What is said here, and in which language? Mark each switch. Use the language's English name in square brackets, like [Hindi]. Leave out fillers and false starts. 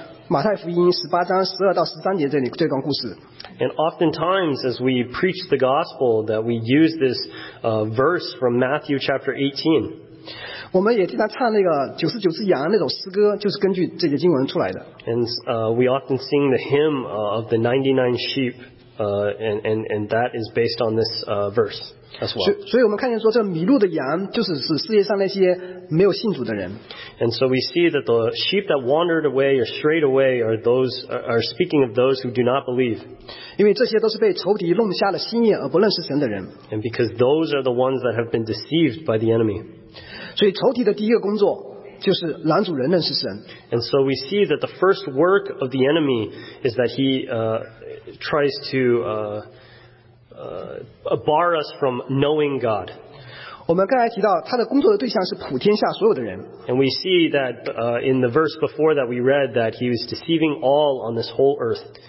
[Chinese] 马太福音18章12到13节这里这段故事 [English] And oftentimes as we preach the gospel that we use this verse from Matthew chapter 18 [Chinese] 我们也经常唱那个99只羊那首诗歌就是根据这些经文出来的 [English] And we often sing the hymn of the 99 sheep and that is based on this verse as well [Chinese] 所以我们看见说这迷路的羊就是世界上那些 [English] And so we see that the sheep that wandered away or strayed away are those are speaking of those who do not believe. And because those are the ones that have been deceived by the enemy. And so we see that the first work of the enemy is that he tries to bar us from knowing God. [Chinese] 我们刚才提到他的工作的对象是普天下所有的人 [English] And we see that in the verse before that we read that he was deceiving all on this whole earth.